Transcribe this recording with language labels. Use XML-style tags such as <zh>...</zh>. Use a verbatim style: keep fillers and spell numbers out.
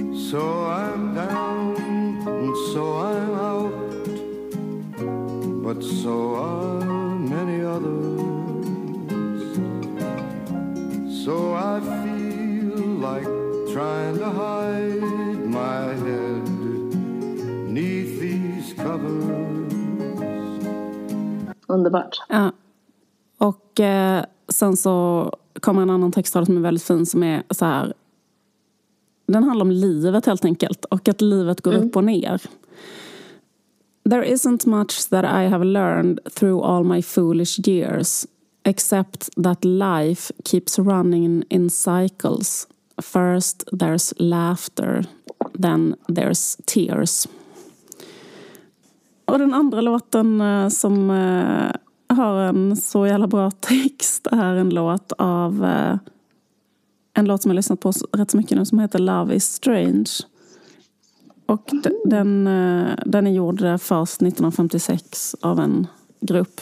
<en>So I'm down and so I'm out, but so are many others. So I feel like trying to hide my head beneath these covers.</en> <sv>Underbart. Ja. Och eh, sen så kommer en annan textrad som är väldigt fin, som är så här. Den handlar om livet helt enkelt, och att livet går mm. upp och ner.</sv> <en>There isn't much that I have learned through all my foolish years, except that life keeps running in cycles. First there's laughter, then there's tears.</en> <sv>Och den andra låten som har en så jävla bra text är en låt av en låt som jag har lyssnat på rätt så mycket nu, som heter Love is Strange. Och den, den är gjord först nittonhundrafemtiosex av en grupp.</sv>